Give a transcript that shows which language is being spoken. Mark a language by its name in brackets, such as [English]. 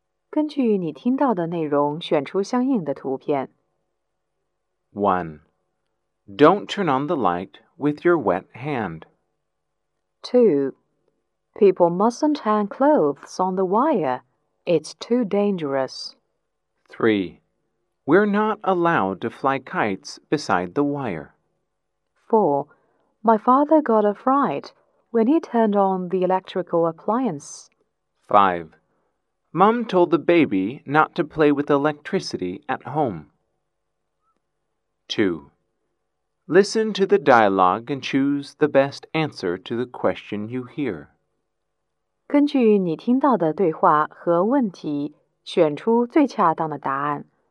[Chinese] 根据你听到的内容，选出相应的图片。 1. [English] Don't turn on the light with your wet hand. 2. People mustn't hang clothes on the wire. It's too dangerous. 3. We're not allowed to fly kites beside the wire. 4. My father got a fright when he turned on the electrical appliance. 5. Mom told the baby not to play with electricity at home. 2. Listen to the dialogue and choose the best answer to the question you hear. [Chinese] 根据你听到的对话和问题，选出最恰当的答案。